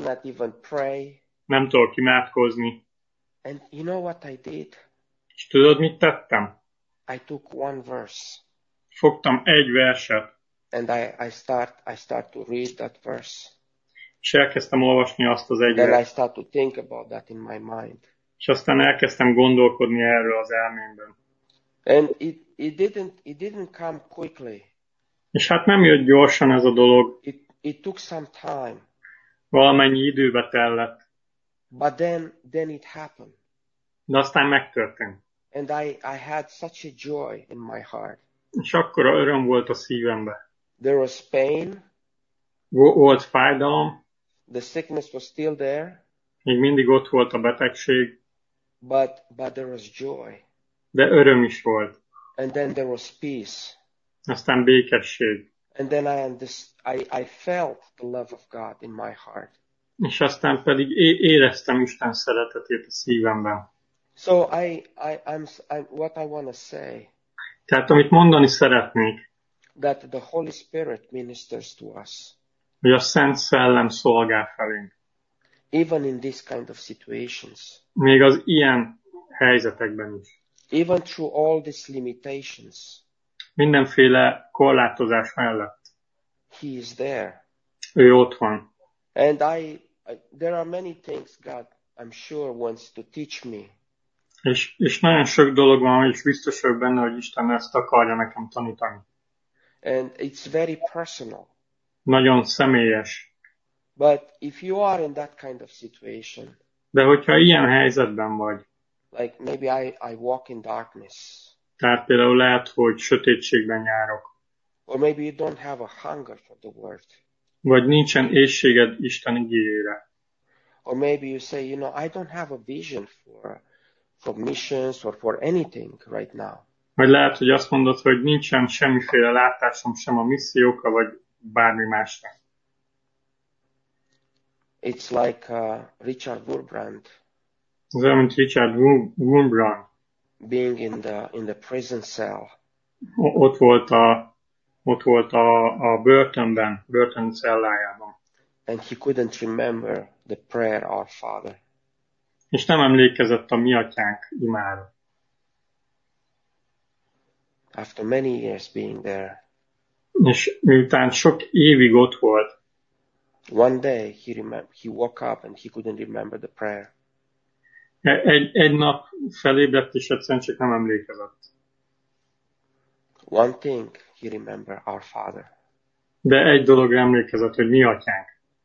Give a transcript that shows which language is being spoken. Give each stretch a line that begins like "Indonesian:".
English: I cannot even pray.
Hungarian: Nem tudok imádkozni.
English: And you know what I did?
Hungarian: És tudod, mit tettem?
English: I took one verse.
Hungarian: Fogtam egy verset.
English: And I start to read that verse.
Hungarian: És elkezdtem olvasni azt az egy verset.
English: Then I start to think about that in my mind.
Hungarian: És aztán elkezdtem gondolkodni erről az elmémben.
English: And it didn't come quickly.
Hungarian: És hát nem jött gyorsan ez a dolog.
English: It took some time.
Hungarian: Valamennyi időbe tellett.
English: But then it happened.
Hungarian: De aztán megtörtént.
English: And I had such a joy in my heart.
Hungarian: És akkora öröm volt a szívembe.
English: There was pain.
Hungarian: Volt fájdalom.
English: The sickness was still there.
Hungarian: Még mindig ott volt a betegség.
English: But there was joy.
Hungarian: De öröm is volt.
English: And then there was peace.
Hungarian: Aztán békesség.
English: And then I felt the love of God in my heart.
Hungarian: És aztán pedig éreztem Isten szeretetét a szívemben.
English: So I'm what I want to say.
Hungarian: Tehát amit mondani szeretnék.
English: That the Holy Spirit ministers to us.
Hungarian: Hogy a Szent Szellem szolgál felénk.
English: Even in this kind of situations.
Hungarian: Még az ilyen helyzetekben is.
English: Even through all these limitations.
Hungarian: Mindenféle korlátozás mellett.
English: He is there.
Hungarian: Ő ott van.
English: And there are many things God, I'm sure, wants to teach me.
Hungarian: És nagyon sok dolog van, és biztos vagyok benne, hogy Isten ezt akarja nekem tanítani.
English: And it's very personal.
Hungarian: Nagyon személyes.
English: But if you are in that kind of situation.
Hungarian: De hogyha ilyen helyzetben vagy.
English: Like maybe I walk in darkness.
Hungarian: Tehát például lehet, hogy sötétségben járok.
English: Or maybe you don't have a hunger for the word.
Hungarian: Vagy nincsen ésséged Isten igényére.
English: Or maybe you say, you know, I don't have a vision for missions or for anything right now.
Hungarian: Vagy lehet, hogy azt mondod, hogy nincsen semmiféle látásom sem a missziókra vagy bármi másra.
English: It's like Richard Wurmbrand.
Hungarian: Ez olyan, mint Richard Wurmbrand.
English: Being in the prison cell.
Hungarian: Ott volt a börtönben, börtön cellájában.
English: And he couldn't remember the prayer our father.
Hungarian: És nem emlékezett a mi atyánk imára.
English: After many years being there.
Hungarian: És miután sok évig ott volt.
English: One day he woke up and he couldn't remember the prayer.
Hungarian: Egy nap felébredt és egyszerűen csak nem emlékezett.
English: One thing he remembered, our father.
Hungarian: De egy dolog emlékezett, hogy mi atyánk.